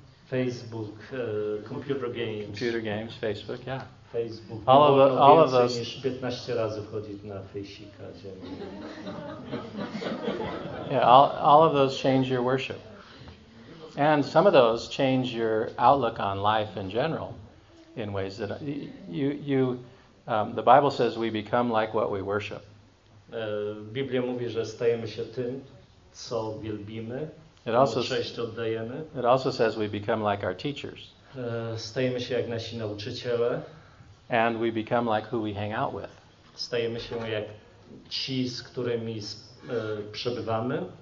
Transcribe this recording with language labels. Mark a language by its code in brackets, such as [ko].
[en] Facebook, computer games. Computer games, Facebook, yeah. Facebook. All of those. [pl] Niż 15 razy wchodzić na fejsika dziennie. [en] Yeah, all of those change your worship. And some of those change your outlook on life in general in ways that the Bible says we become like what we worship. [pl] Biblia mówi, że stajemy się tym, co wielbimy. [en] It also, [pl] cześć oddajemy. [en] It also says we become like our teachers. [pl] Stajemy się jak nasi nauczyciele. [en] And we become like who we hang out with. [pl] Stajemy się jak ci, z którymi przebywamy.